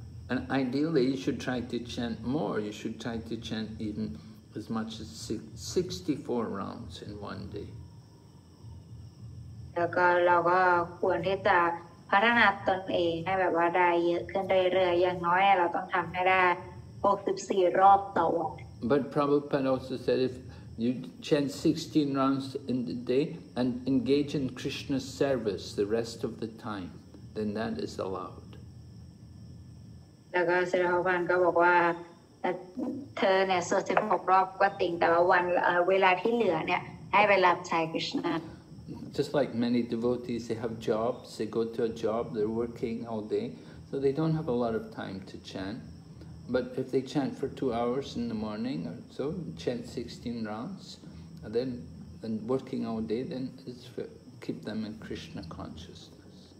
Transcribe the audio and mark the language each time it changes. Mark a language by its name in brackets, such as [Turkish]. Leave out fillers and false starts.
[English] And ideally, you should try to chant more. You should try to chant even as much as 64 rounds in one day. [Thai] แล้วก็เราก็ควรที่จะพัฒนาตนเองให้แบบว่าได้เยอะขึ้นเรื่อยๆอย่างน้อยเราต้องทำให้ได้64รอบต่อวัน [English] But Prabhupada also said if you chant 16 rounds in the day and engage in Krishna's service the rest of the time then that is allowed [Thai] แล้วก็ศิลปวันก็บอกว่าเธอเนี่ยสวด16รอบก็จริงแต่ว่าวันเวลาที่เหลือเนี่ยให้ไปรับใช้ Krishna [English] Just like many devotees, they have jobs, they go to a job, they're working all day, so they don't have a lot of time to chant. But if they chant for 2 hours in the morning or so, chant 16 rounds, and then and working all day, then it's keep them in Krishna consciousness.